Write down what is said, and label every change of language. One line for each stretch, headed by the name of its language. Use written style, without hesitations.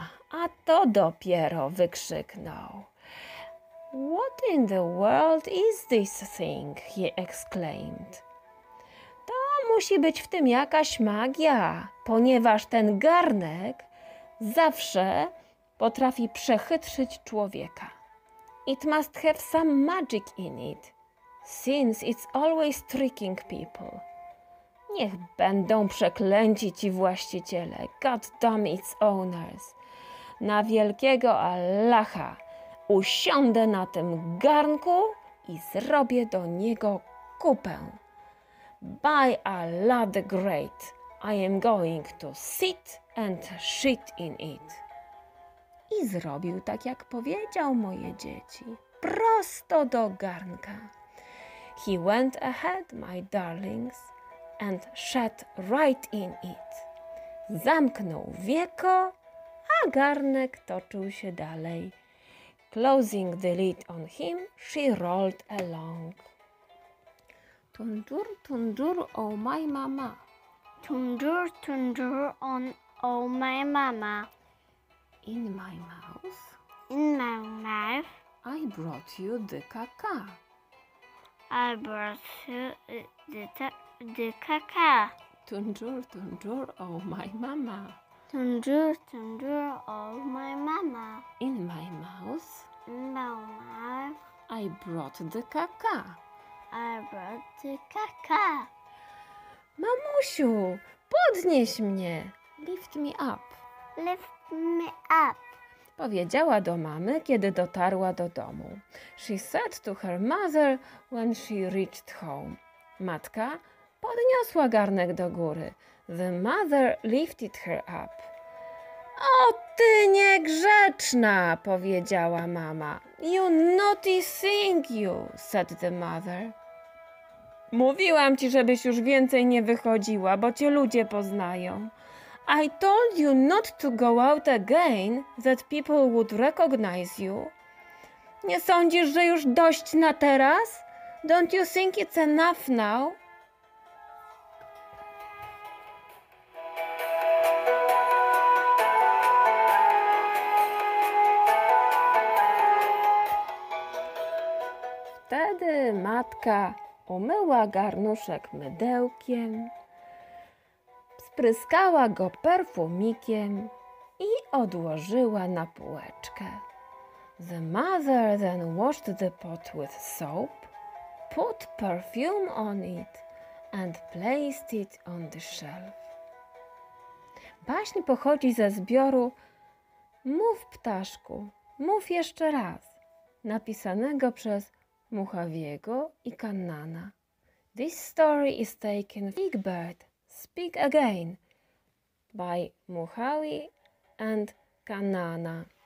Polish: A to dopiero, wykrzyknął.
English: What in the world is this thing? He exclaimed.
Polish: To musi być w tym jakaś magia, ponieważ ten garnek zawsze potrafi przechytrzyć człowieka.
English: It must have some magic in it, since it's always tricking people.
Polish: Niech będą przeklęci ci właściciele,
English: God damn its owners.
Polish: Na wielkiego Allaha usiądę na tym garnku i zrobię do niego kupę.
English: By Allah the Great, I am going to sit and shit in it.
Polish: I zrobił tak, jak powiedział, moje dzieci, prosto do garnka.
English: He went ahead, my darlings, and shat right in it.
Polish: Zamknął wieko, a garnek toczył się dalej.
English: Closing the lid on him, she rolled along. Tundur, tundur, oh my mama. Tundur, tundur, oh my mama. In my mouth. In my mouth. I brought you the caca. I brought you the caca. Tundur, tundur, oh my mama. Tundur, tundur, oh my mama. In my mouth. In my mouth. I brought the caca. I brought the caca.
Polish: Mamusiu, podnieś mnie.
English: Lift me up. Lift me up.
Polish: powiedziała do mamy, kiedy dotarła do domu.
English: She said to her mother when she reached home.
Polish: Matka podniosła garnek do góry.
English: The mother lifted her up.
Polish: O, ty niegrzeczna, powiedziała mama.
English: You naughty thing, you, said the mother.
Polish: Mówiłam ci, żebyś już więcej nie wychodziła, bo cię ludzie poznają.
English: I told you not to go out again, that people would recognize you.
Polish: Nie sądzisz, że już dość na teraz?
English: Don't you think it's enough now?
Polish: Wtedy matka umyła garnuszek mydełkiem, spryskała go perfumikiem i odłożyła na półeczkę.
English: The mother then washed the pot with soap, put perfume on it and placed it on the shelf.
Polish: Baśń pochodzi ze zbioru Mów ptaszku, mów jeszcze raz, napisanego przez Muchawiego i Kannana.
English: This story is taken from Big Bird, Speak Again by Muchawi and Kannana.